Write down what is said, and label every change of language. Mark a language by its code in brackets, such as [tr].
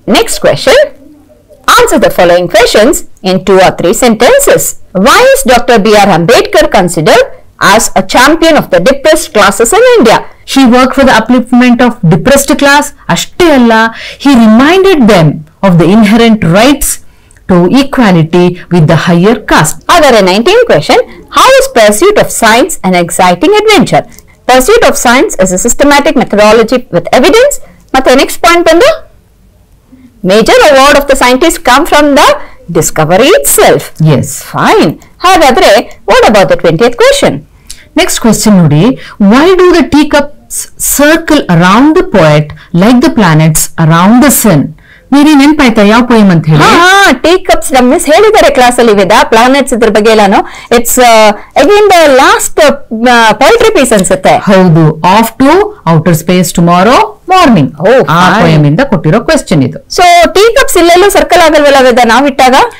[en] Next question, answer the following questions in two or three sentences. Why is doctor B R Ambedkar considered as a champion of the depressed classes in India? She work for the upliftment of depressed class. [kn] ಅಷ್ಟೇ ಅಲ್ಲ, [en] He reminded them of the inherent rights to equality with the higher caste. Other 19th question, how is pursuit of science an exciting adventure? Pursuit of science is a systematic methodology with evidence. [kn] Mathe next point bando, [en] major award of the scientist come from the discovery itself. Yes. Fine. Hagadre, what about the 20th question? Next question nodi, why do the teacups circle around the poet like the planets around the sun? [kn] ಮೀರಿ ನೆನ್ಪಾಯ್ತಾ ಯಾವ poem ಅಂತ ಹೇಳಿ? ಹಾ, ಟೇಕಪ್ಸ್ ನಮ್ಮ miss ಹೇಳಿದ್ದಾರೆ class ಅಲ್ಲಿ ವೇದ, planets ಇದ್ರ ಬಗ್ಗೆ ಎಲ್ಲಾನು. [en] It's again the last poetry piece ಅನ್ಸುತ್ತೆ. [kn] ಹೌದು, of to outer space tomorrow morning, ಆ ಪೋಯಮ್ ಇಂದ ಕೊಟ್ಟಿರೋ ಕ್ವೆಶ್ಚನ್ ಇದು. ಸೊ ಟೀಕಪ್ಸ್ ಇಲ್ಲೆಲ್ಲೂ ಸರ್ಕಲ್ ಆಗಲ್ವಲ್ಲ ವೇದ, ನಾವಿಟ್ಟಾಗ